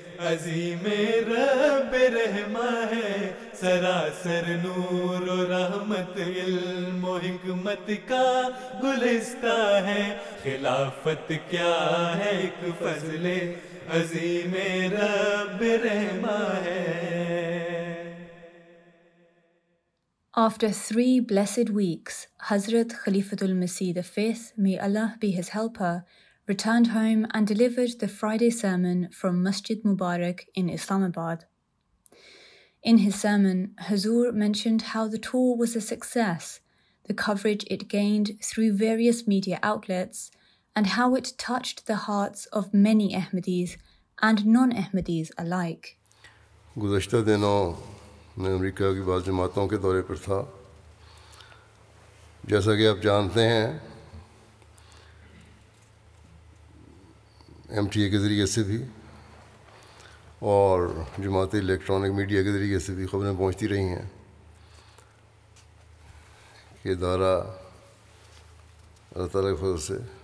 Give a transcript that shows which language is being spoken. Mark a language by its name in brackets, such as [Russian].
[Urdu] عظیم رب رحمان ہے سراسر نور و رحمت علم و حکمت کا گلستہ ہے خلافت کیا ہے ایک فضل عظیم رب رحمان ہے [English] After three blessed weeks, Hazrat Khalifatul Masih the Fifth, may Allah be his helper, returned home and delivered the Friday sermon from Masjid Mubarak in Islamabad. In his sermon, Huzoor mentioned how the tour was a success, the coverage it gained through various media outlets, and how it touched the hearts of many Ahmadis and non-Ahmadis alike. [Urdu] گزشتہ دنوں میں امریکہ کی بعض جماعتوں کے دورے پر تھا جیسا کہ آپ جانتے ہیں ایم ٹی اے کے ذریعے سے بھی اور جماعت الیکٹرانک میڈیا کے ذریعے سے بھی خبریں پہنچتی رہی ہیں کہ ادارہ اللہ تعالیٰ کے فضل سے